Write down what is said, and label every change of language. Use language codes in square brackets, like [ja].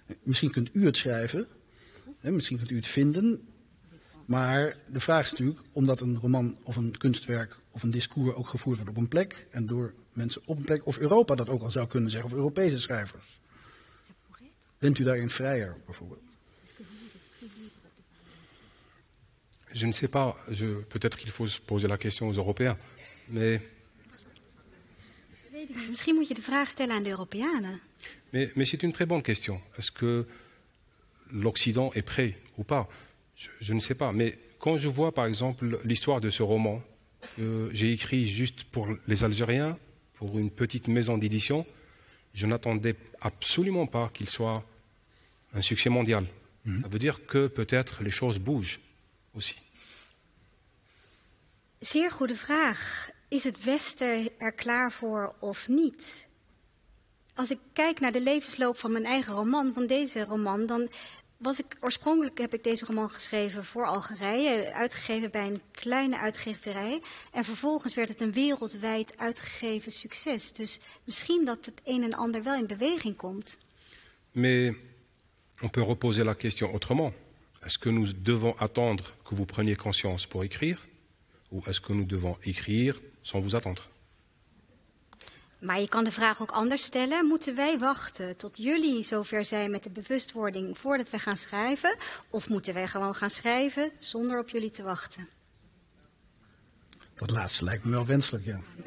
[nl] Misschien kunt u het schrijven, hè, misschien kunt u het vinden, maar de vraag is natuurlijk, omdat een roman of een kunstwerk of een discours ook gevoerd wordt op een plek en door mensen op een plek, of Europa dat ook al zou kunnen zeggen, of Europese schrijvers. Bent u daarin vrijer, bijvoorbeeld? [fr] Je ne sais pas. Peut-être qu'il faut poser la question aux Européens. Mais... [nl] Misschien moet je de vraag stellen aan de Europeanen. [fr] Mais c'est une très bonne question. Est-ce que l'Occident est prêt ou pas? Je ne sais pas. Mais quand je vois, par exemple, l'histoire de ce roman, j'ai écrit juste pour les Algériens, pour une petite maison d'édition, je n'attendais absolument pas qu'il soit un succès mondial. Mm-hmm. Ça veut dire que peut-être les choses bougent aussi. [nl] Zeer goede vraag. Is het Westen er klaar voor of niet? Als ik kijk naar de levensloop van mijn eigen roman, van deze roman, dan was ik oorspronkelijk heb ik deze roman geschreven voor Algerije, uitgegeven bij een kleine uitgeverij. En vervolgens werd het een wereldwijd uitgegeven succes. Dus misschien dat het een en ander wel in beweging komt. [fr] Mais on peut reposer la question autrement. Est-ce que nous devons attendre que vous preniez conscience pour écrire? Ou est-ce que nous devons écrire sans vous attendre? [nl] Maar je kan de vraag ook anders stellen. Moeten wij wachten tot jullie zover zijn met de bewustwording voordat we gaan schrijven? Of moeten wij gewoon gaan schrijven zonder op jullie te wachten? Dat laatste lijkt me wel wenselijk, ja.